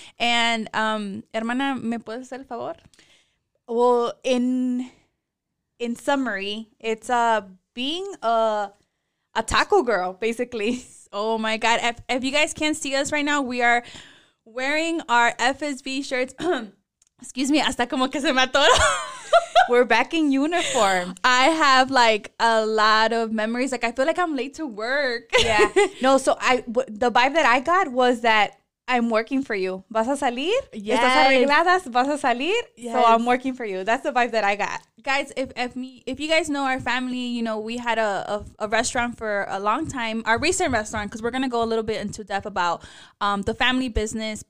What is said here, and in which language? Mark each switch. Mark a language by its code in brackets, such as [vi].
[es] And hermana, ¿me puedes hacer el favor? [en] Well, in summary, it's being a taco girl, basically. Oh my God. If you guys can't see us right now, we are wearing our FSB shirts. Excuse me, [es] hasta como que se me atoró. [en] We're back in uniform. I have like a lot of memories. Like I feel like I'm late to work. Yeah. No, so the vibe that I got was that I'm working for you. [es] ¿Vas a salir? [en] Yes. [es] ¿Estás arregladas? ¿Vas a salir? [en] Yes. So I'm working for you. That's the vibe that I got. Guys, if you guys know our family, you know, we had a restaurant for a long time, our recent restaurant, because we're going to go a little bit into depth about the family business.